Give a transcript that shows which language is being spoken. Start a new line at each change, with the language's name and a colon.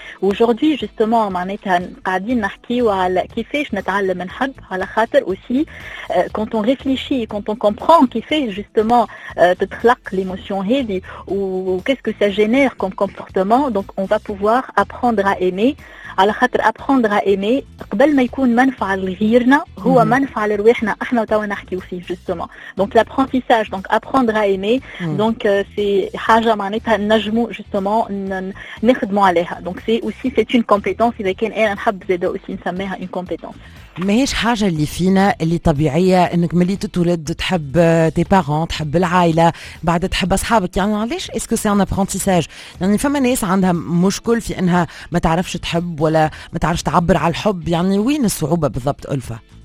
Arabic: واجوردي جوستومون معناتها قاعدين نحكيوا على كيف نتعلم نحب، على خاطر
French: aussi quand on réfléchit quand on comprend
Arabic: كيفاش justement تتخلق l'émotion هذه و
French: qu'est-ce que ça génère comme comportement, donc on va pouvoir apprendre à aimer.
Arabic: على خاطر
French: apprendre à aimer
Arabic: قبل ما يكون منفع لغيرنا هو منفع لروحنا احنا وتوا نحكيو فيه justement.
French: Donc l'apprentissage, donc apprendre à aimer, donc c'est
Arabic: حاجه معناتها نجمو
French: justement
Arabic: نخدمو عليها.
French: Donc c'est aussi c'est une compétence,
Arabic: اذا كان انا نحب زيد
French: aussi
Arabic: نسميها
French: une compétence.
Arabic: ماهيش حاجة اللي فينا اللي طبيعية، انك ملي تتولد تحب تي بارون، تحب العائلة، بعد تحب اصحابك، يعني علاش
French: اسكو سي ان ابرنتيساج؟
Arabic: يعني فما ناس عندها مشكل في انها ما تعرفش تحب ولا ما تعرفش تعبر على الحب، يعني وين الصعوبة بالضبط ألفة؟